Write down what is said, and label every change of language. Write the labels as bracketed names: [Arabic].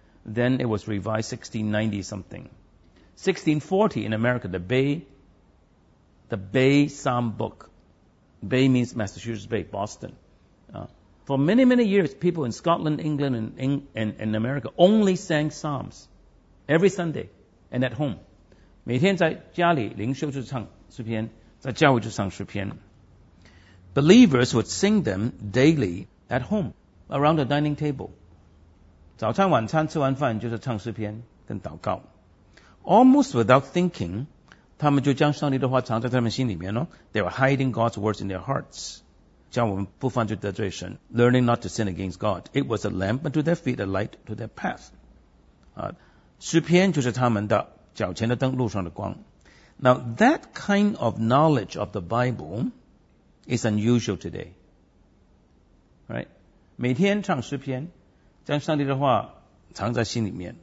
[English] Then it was revised 1690-something. 1640 in America, the Bay Psalm book. Bay means Massachusetts Bay, Boston. For many, many years, people in Scotland, England, and America only sang psalms every Sunday and at home. [Chinese] 每天在家里灵修就唱诗篇，在教会就唱诗篇。 [English] Believers would sing them daily at home, around the dining table. [Chinese] 早餐、晚餐吃完饭就是唱诗篇跟祷告。 [English] Almost without thinking... [Chinese] 他们就将上帝的话藏在他们心里面哦。 [English] They were hiding God's words in their hearts. [Chinese] 将我们不犯罪得罪神 [English] Learning not to sin against God. It was a lamp unto their feet, a light to their path. [Chinese] 诗篇就是他们的脚前的灯路上的光。 [English] Now that kind of knowledge of the Bible is unusual today. Right? [Chinese] 每天唱诗篇将上帝的话藏在心里面。